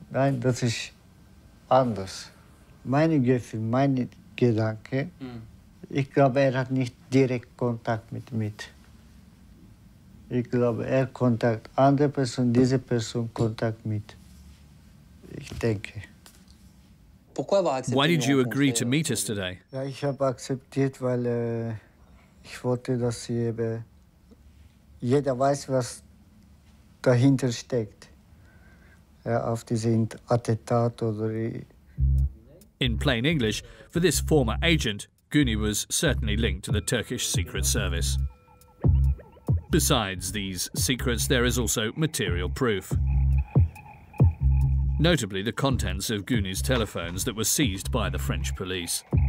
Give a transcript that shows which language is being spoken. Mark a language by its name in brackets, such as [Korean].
[German] Nein, das ist anders. Meine Gefühl, meine Gedanken, ich glaube, er hat nicht direkt Kontakt mit. Ich glaube, er Kontakt andere Person, diese Person Kontakt mit. Ich denke. [English] Why did you agree to meet us today? [German] Ja, ich habe akzeptiert, weil ich wollte, dass sie eben jeder weiß, was dahinter steckt, ja, auf diese Attentat oder... [English] In plain English, for this former agent, Guney was certainly linked to the Turkish secret service. Besides these secrets, there is also material proof. Notably, the contents of Guney's telephones that were seized by the French police.